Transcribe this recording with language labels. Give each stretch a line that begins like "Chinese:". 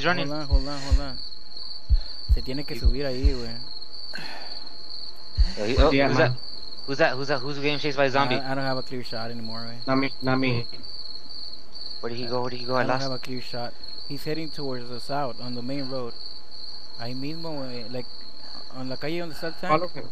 English: Hold on.
Spanish: Se tiene que subir ahí, güey.
English: Who's that? Who's getting chased by a zombie? I don't have a clear shot anymore, man. Not me. Where did he go? I don't have a clear shot. He's heading towards the south on the main road.
Spanish: Ahí mismo, like, on la calle donde está el tank.